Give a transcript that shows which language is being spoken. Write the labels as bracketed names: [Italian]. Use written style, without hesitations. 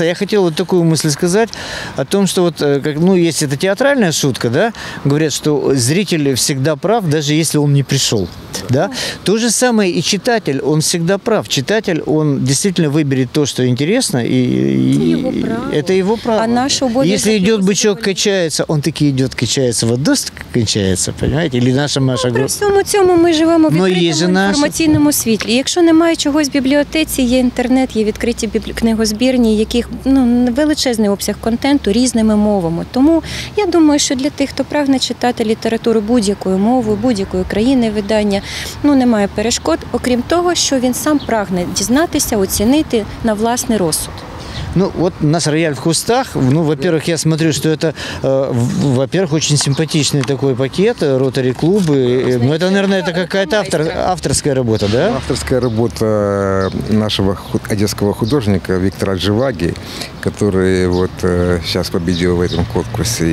[Russian] А я хотел вот такую мысль сказать о том, что вот, как, ну, есть эта театральная шутка, да, говорят, что зритель всегда прав, даже если он не пришел, да. То же самое и читатель, он всегда прав. Читатель, он действительно выберет то, что интересно, и это его право. Это его право. А наша уборная. Если идет бычок, качается, он таки идет, качается, вот досок кончается, понимаете, или наша Маша говорит. [Ukrainian] При всьому цьому ми живемо в відкритому інформаційному світлі. Якщо немає чогось в бібліотеці, є інтернет, є відкриті книгозбірні, яких, ну, величезний обсяг контенту різними мовами. Тому я думаю, що для тих, хто прагне читати літературу будь-якою мовою, будь-якої країни видання, ну, немає перешкод, окрім того, що він сам прагне дізнатися, оцінити на власний розсуд. [Russian] Ну, вот у нас рояль в кустах. Ну, во-первых, я смотрю, что это, во-первых, очень симпатичный такой пакет, ротари-клубы. Ну, это, наверное, это какая-то авторская работа, да? Авторская работа нашего одесского художника Виктора Дживаги, который вот сейчас победил в этом конкурсе.